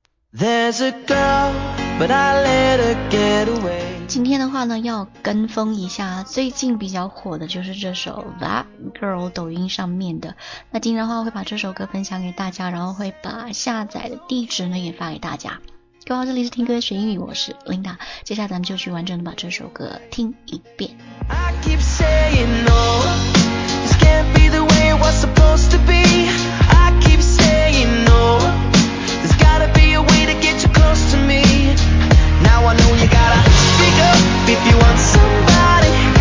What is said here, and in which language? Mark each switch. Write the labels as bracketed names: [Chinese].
[English] There's a girl, but I let her get away。 [Chinese] 今天的话呢，要跟风一下最近比较火的就是这首 That Girl 抖音上面的。那今天的话会把这首歌分享给大家，然后会把下载的地址呢也发给大家。各位好，这里是听歌学英语，我是 Linda， 接下来咱们就去完整的把这首歌听一遍。 [English] I keep saying no, this can't be the way it was supposed to be。 I keep saying no, there's gotta be a way to get you close to me。 Now I know you gotta speak up if you want somebody。